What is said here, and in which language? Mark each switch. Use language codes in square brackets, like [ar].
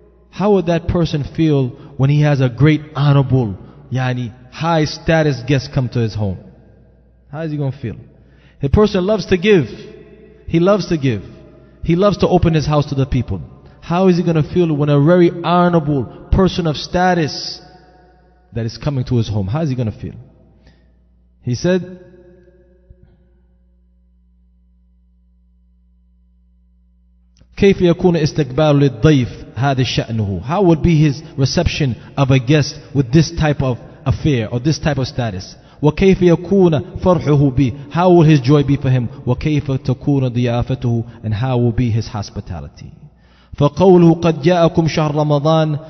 [en] How would that person feel when he has a great honorable, high status guest come to his home? How is he going to feel? The person loves to give. He loves to give. He loves to open his house to the people. How is he going to feel when a very honorable person of status that is coming to his home? How is he going to feel? He said, [ar] كيف يكون استقبال للضيف هذا شأنه? [en] How would be his reception of a guest with this type of affair or this type of status? [ar] وكيف يكون فرحه به? [en] How will his joy be for him? [ar] وكيف تكون ضيافته? [en] And how will be his hospitality? [ar] فقوله قد جاءكم شهر رمضان.